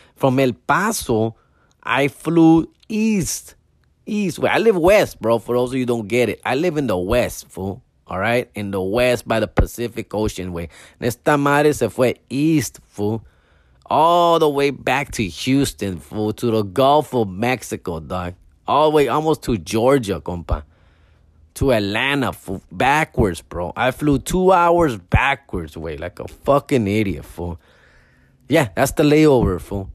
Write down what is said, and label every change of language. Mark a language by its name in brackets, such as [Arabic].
[English] From El Paso, I flew east. Well, I live west, bro, for those of you who don't get it. I live in the west, fool, all right? In the west by the Pacific Ocean way. [Spanish] Esta madre se fue [English] east, fool. All the way back to Houston, fool, to the Gulf of Mexico, dog. All the way almost to Georgia, compa. To Atlanta, fool. Backwards, bro. I flew 2 hours backwards, way. Like a fucking idiot, fool. Yeah, that's the layover, fool.